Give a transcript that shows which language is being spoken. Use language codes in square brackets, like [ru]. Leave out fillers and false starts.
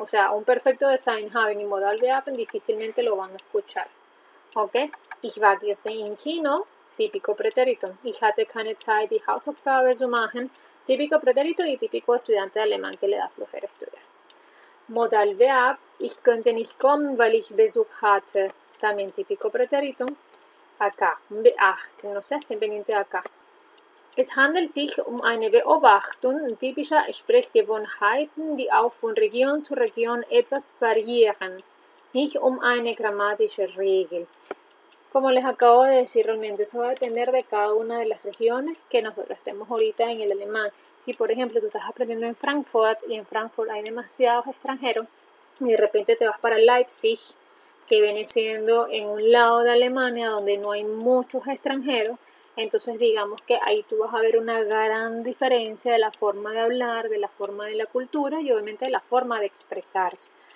[es] O sea, un perfecto de sein, haben y modal verben difícilmente lo van a escuchar. ¿Ok? [de] Ich war gestern im Kino, [es] típico pretérito. [de] Ich hatte keine Zeit, die Hausaufgabe zu machen. [es] Típico pretérito y típico estudiante de alemán que le da flojera estudiar. [de] Modal verb, ich könnte nicht kommen, weil ich Besuch hatte. [es] También típico pretérito. Acá, beachten, no sé, estén pendientes de acá. [de] Es handelt sich um eine Beobachtung typischer Sprechgewohnheiten, die auch von Region zu Region etwas variieren, nicht um eine grammatische Regel. [es] Como les acabo de decir, realmente eso va a depender de cada una de las regiones que nosotros estemos ahorita en el alemán. Si, por ejemplo, tú estás aprendiendo en Frankfurt y en Frankfurt hay demasiados extranjeros y de repente te vas para Leipzig, que viene siendo en un lado de Alemania donde no hay muchos extranjeros, entonces digamos que ahí tú vas a ver una gran diferencia de la forma de hablar, de la forma de la cultura y obviamente de la forma de expresarse.